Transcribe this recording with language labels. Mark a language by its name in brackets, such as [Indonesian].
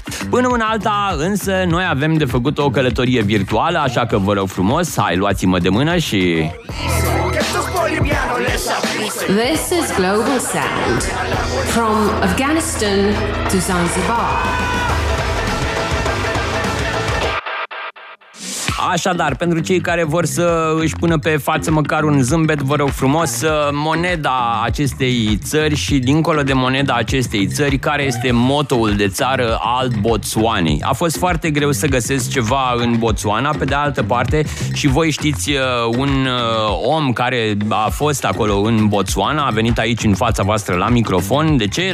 [Romanian] Până în alta, însă, noi avem de făcut o călătorie virtuală, așa că vă rog frumos, hai, luați-mă de mână și... [English] This is Global Sound, from Afghanistan to Zanzibar. [Romanian] Așadar, pentru cei care vor să își pună pe față măcar un zâmbet, vă rog frumos, moneda acestei țări și dincolo de moneda acestei țări, care este motoul de țară al Botswanei. A fost foarte greu să găsesc ceva în Botswana, pe de altă parte, și voi știți un om care a fost acolo în Botswana, a venit aici în fața voastră la microfon, de ce?